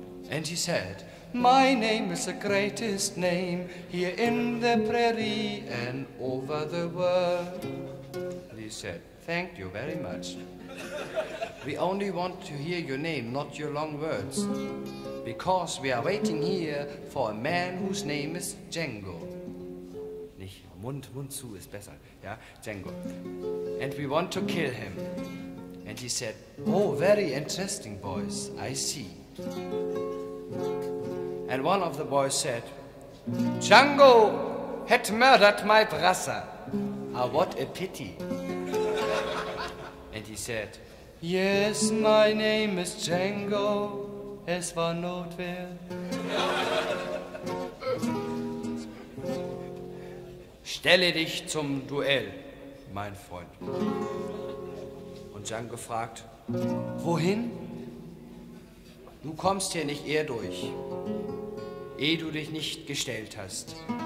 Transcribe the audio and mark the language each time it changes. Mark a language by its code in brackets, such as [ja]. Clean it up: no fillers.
[en] And he said, "My name is the greatest name here in the prairie and over the world." And he said, "Thank you very much. We only want to hear your name, not your long words, because we are waiting here for a man whose name is Django." [de] Nicht Mund, Mund zu ist besser, ja? [en] Django. "And we want to kill him." And he said, "Oh, very interesting, boys, I see." And one of the boys said, "Django had murdered my brother. Ah, what a pity." And he said, "Yes, my name is Django, [de] es war Notwehr." "Stelle dich zum Duell, mein Freund." Und Django fragt, "Wohin?" "Du kommst hier nicht eher durch, ehe du dich nicht gestellt hast.